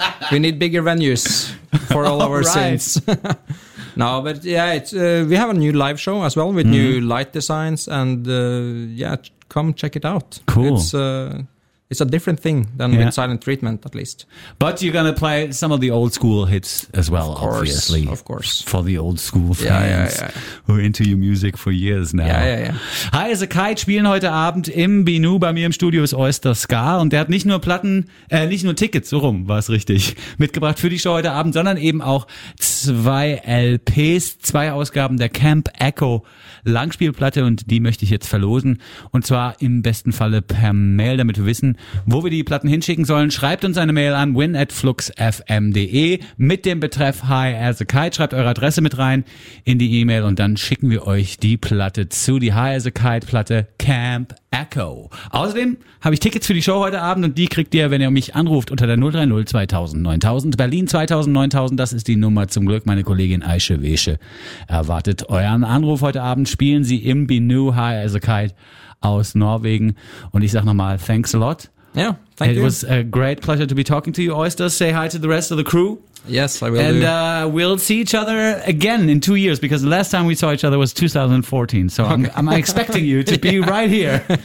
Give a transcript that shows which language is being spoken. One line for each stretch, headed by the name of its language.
English: We need bigger venues for all our synths. No, but we have a new live show as well with new light designs, and come check it out. Cool. It's a different thing than with Silent Treatment, at least. But you're going to play some of the old school hits as well, obviously. Of course. For the old school fans who are into your music for years now.
German: High as a Kite spielen heute Abend im Binu. Bei mir im Studio ist Oyster Scar. Und der hat nicht nur nicht nur Tickets, so rum war es richtig, mitgebracht für die Show heute Abend, sondern eben auch zwei LPs, zwei Ausgaben der Camp Echo Langspielplatte. Und die möchte ich jetzt verlosen. Und zwar im besten Falle per Mail, damit wir wissen, wo wir die Platten hinschicken sollen. Schreibt uns eine Mail an win@fluxfm.de mit dem Betreff High as a Kite. Schreibt eure Adresse mit rein in die E-Mail und dann schicken wir euch die Platte zu, die High as a Kite Platte Camp Echo. Außerdem habe ich Tickets für die Show heute Abend und die kriegt ihr, wenn ihr mich anruft, unter der 030 2000 9000. Berlin 2000 9000, das ist die Nummer. Zum Glück, meine Kollegin Aische Wesche erwartet euren Anruf heute Abend. Spielen sie im Binu High as a Kite aus Norwegen. Und ich sag nochmal,
English: thanks a lot. Yeah, thank you. It was a great pleasure to be talking to you, Oyster. Say hi to the rest of the crew. Yes, I will. And we'll see each other again in 2 years, because the last time we saw each other was 2014. So I'm expecting you to be right here.